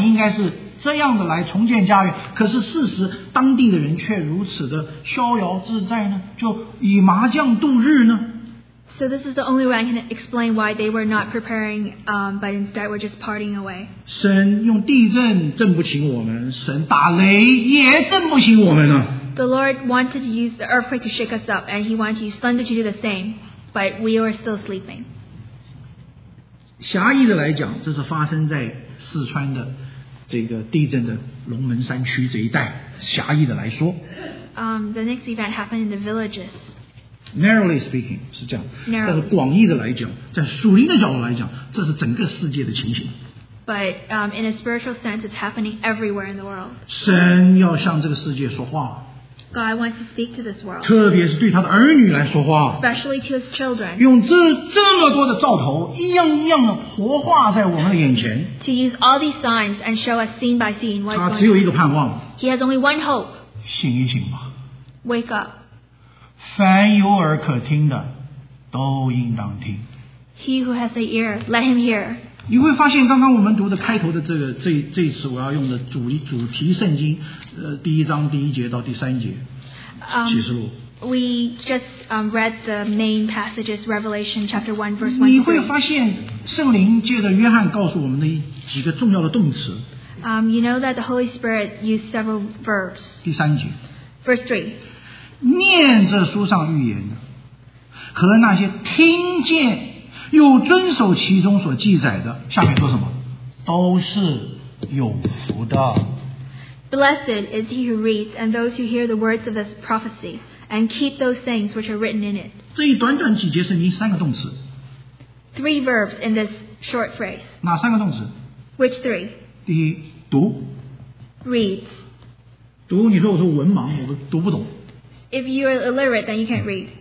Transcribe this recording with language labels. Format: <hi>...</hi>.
<zh>只有从这个角度我才能够来解释为什么照我们想应该是这样的来重建家园, 可是事实当地的人却如此的逍遥自在呢? 就以麻将度日呢?</zh> <en>So this is the only way I can explain why they were not preparing, but instead were just partying away.</en> <zh>神用地震震不醒我们，神打雷也震不醒我们呢。</zh> <en>The Lord wanted to use the earthquake to shake us up, and He wanted to use thunder to do the same, but we were still sleeping.</en> <zh>狭义的来讲，这是发生在四川的这个地震的龙门山区这一带。狭义的来说，</zh> <en>the next event happened in the villages. Narrowly speaking,</en> <zh>是这样,</zh> <en>Narrowly.</en> <zh>但是广义的来讲, 在属灵的角度来讲, 这是整个世界的情形。</zh> <en>But in a spiritual sense, it's happening everywhere in the world.</en> <zh>神要向这个世界说话。</zh> <en>God wants to speak to this world.</en> <zh>特别是对他的儿女来说话。</zh> <en>Especially to his children.</en> <zh>用这么多的兆头, 一样一样的活化在我们的眼前。</zh> <en>To use all these signs and show us scene by scene what is going on.</en> <zh>他只有一个盼望。</zh> <en>He has only one hope.</en> <zh>醒一醒吧。</zh> <en>Wake up.</en> <zh>凡有耳可听的都应当听。</zh> <en>He who has an ear, let him hear.</en> <zh>你会发现刚刚我们读的开头的这个这一次我要用的主题圣经，第一章第一节到第三节，启示录。</zh> <en>We just read the main passages, Revelation chapter 1, verse 1.</en> <zh>你会发现圣灵借着约翰告诉我们的几个重要的动词。</zh> <en>You know that the Holy Spirit used several verbs.</en> <zh>第三节。</zh> <en>Verse 3.</en> <zh>念着书上预言的和那些听见又遵守其中所记载的，下面说什么？都是有福的。</zh> <en>Blessed is he who reads and those who hear the words of this prophecy. And keep those things which are written in it.</en> <zh>这一短短几节圣经三个动词。</zh> <en>Three verbs in this short phrase.</en> <zh>哪三个动词？</zh> <en>Which three?</en> <zh>第一，读。</zh> <en>Reads.</en> <zh>读，你说我是文盲，我读不懂。</zh> <en>If you are illiterate, then you can't read.</en>